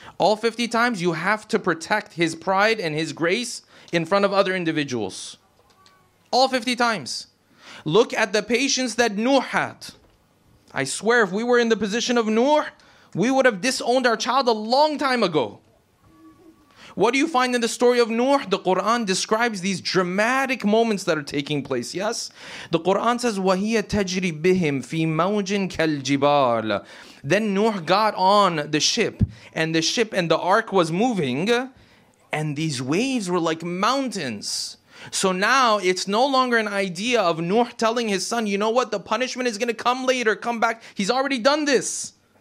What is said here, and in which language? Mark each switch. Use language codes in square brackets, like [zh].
[en] All 50 times you have to protect his pride and his grace in front of other individuals. All 50 times. Look at the patience that Nuh had. I swear, if we were in the position of Nuh, we would have disowned our child a long time ago. What do you find in the story of Nuh? The Quran describes these dramatic moments that are taking place. Yes? The Quran says, [ar] وَهِيَ تَجْرِي بِهِمْ فِي مَوْجٍ كَالْجِبَالِ. [en] Then Nuh got on the ship, and the ship and the ark was moving, and these waves were like mountains. So now it's no longer an idea of Nuh telling his son, "You know what? The punishment is going to come later. Come back." He's already done this.